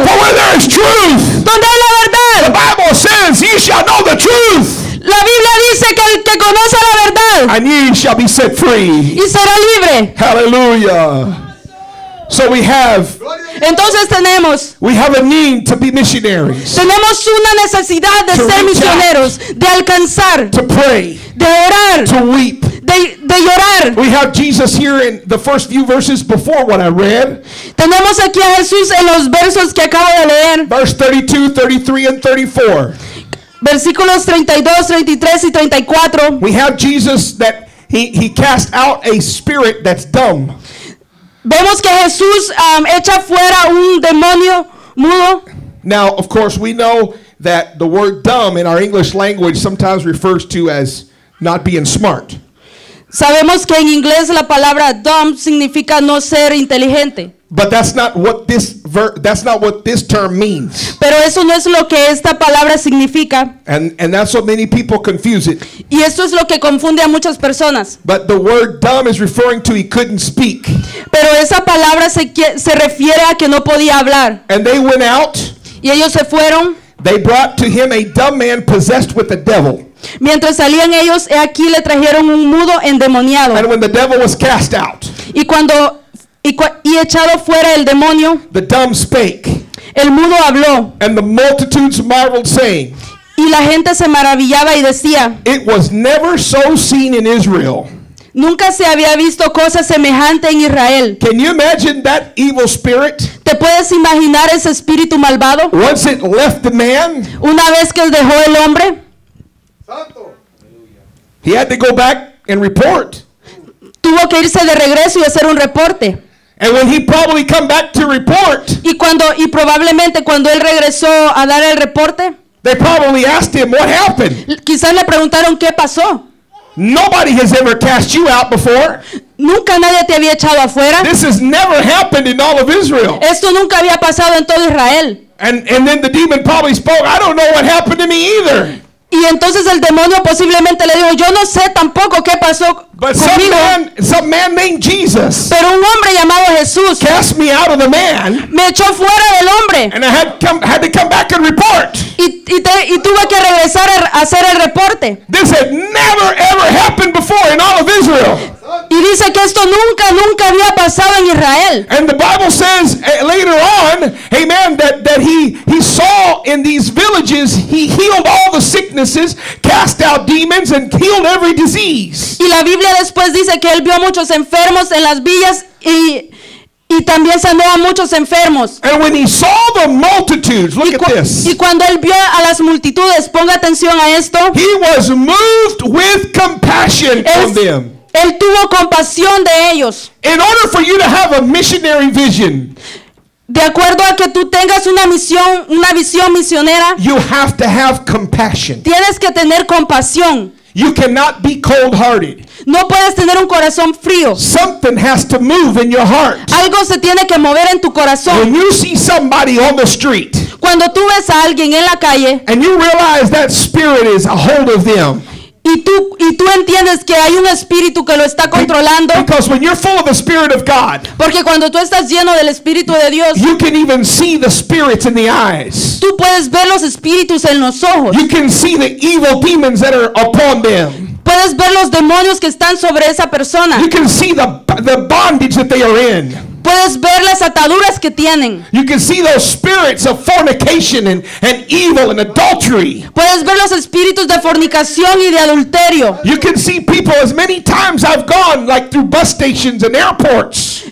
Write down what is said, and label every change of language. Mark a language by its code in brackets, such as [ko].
[en] For where there is truth, [es] donde hay la verdad, [en] the Bible says, "Ye shall know the truth." [es] La Biblia dice que el que conoce la verdad, [en] and ye shall be set free. [es] Y será libre. [en] Hallelujah. So we have. [es] Entonces tenemos. [en] We have a need to be missionaries. [es] Tenemos una necesidad de ser misioneros, de alcanzar. [en] To pray. [es] De orar. [en] To weep. [es] De llorar. [en] We have Jesus here in the first few verses before what I read. [es] Tenemos aquí a Jesús en los versos que acabo de leer. [en] Verse 32, 33, and 34. [es] Versículos 32, 33 y 34. [en] We have Jesus that he cast out a spirit that's dumb. [es] Vemos que Jesús echa fuera un demonio mudo. [en] Now, of course, we know that the word dumb in our English language sometimes refers to as not being smart. [es] Sabemos que en inglés la palabra dumb significa no ser inteligente. [en] But that's not what this that's not what this term means. [es] Pero eso no es lo que esta palabra significa. [en] And that's what many people confuse it. [es] Y eso es lo que confunde a muchas personas. [en] But the word dumb is referring to he couldn't speak. [es] Pero esa palabra se refiere a que no podía hablar. [en] And they went out. [es] Y ellos se fueron. [en] They brought to him a dumb man possessed with a devil. [es] Mientras salían ellos, he aquí le trajeron un mudo endemoniado. [en] And when the devil was cast out, [es] y echado fuera el demonio, [en] the dumb spake, [es] el mudo habló, [en] and the multitudes marveled, saying, [es] y la gente se maravillaba y decía, [en] it was never so seen in Israel. [es] Nunca se había visto cosa semejante en Israel. [en] Can you imagine that evil spirit? [es] ¿Te puedes imaginar ese espíritu malvado? [en] Once it left the man, [es] una vez que dejó el hombre, [en] he had to go back and report. [es] Tuvo que irse de regreso y hacer un reporte. [en] And when he probably come back to report, [es] y probablemente cuando él regresó a dar el reporte, [en] they probably asked him what happened. [es] Quizás le preguntaron qué pasó. [en] Nobody has ever cast you out before. [es] Nunca nadie te había echado afuera. [en] This has never happened in all of Israel. [es] Esto nunca había pasado en todo Israel. [en] And then the demon probably spoke, I don't know what happened to me either. [es] Y entonces el demonio posiblemente le dijo, yo no sé tampoco qué pasó [en] but [es] conmigo. [en] Some man named Jesus, [es] pero un hombre llamado Jesús, [en] cast me out of the man, [es] me echó fuera del hombre. [en] And I had to come back and report. [es] Y tuve que regresar a hacer el reporte. [en] This had never ever happened before in all of Israel. [es] Y dice que esto nunca había pasado en Israel. [en] And the Bible says later on, amen, that he saw in these villages, he healed all the sicknesses, cast out demons, and healed every disease. [es] Y la Biblia después dice que él vio muchos enfermos en las villas y también sanó a muchos enfermos. [en] And when he saw the multitudes, look at this. [es] Y cuando él vio a las multitudes, ponga atención a esto. [en] He was moved with compassion on them. [es] Él tuvo compasión de ellos. [en] In order for you to have a missionary vision, [es] de acuerdo a que tú tengas una visión misionera, [en] you have to have compassion. [es] Tienes que tener compasión. [en] You cannot be cold-hearted. [es] No puedes tener un corazón frío. [en] Something has to move in your heart. [es] Algo se tiene que mover en tu corazón. [en] When you see somebody on the street, [es] cuando tú ves a alguien en la calle, [en] and you realize that spirit is a hold of them, [es] Y tú entiendes que hay un espíritu que lo está controlando. [en] Because when you're full of the Spirit of God, [es] porque cuando tú estás lleno del Espíritu de Dios, [en] you can even see the spirits in the eyes. [es] Tú puedes ver los espíritus en los ojos. [en] You can see the evil demons that are upon them. [es] Puedes ver los demonios que están sobre esa persona. [en] You can see the bondage that they are in. [es] Puedes ver las ataduras que tienen. [en] You can see those spirits of fornication and evil and adultery. [es] Puedes ver los espíritus de fornicación y de adulterio. [en] You can see people as many times I've gone like through bus stations and airports.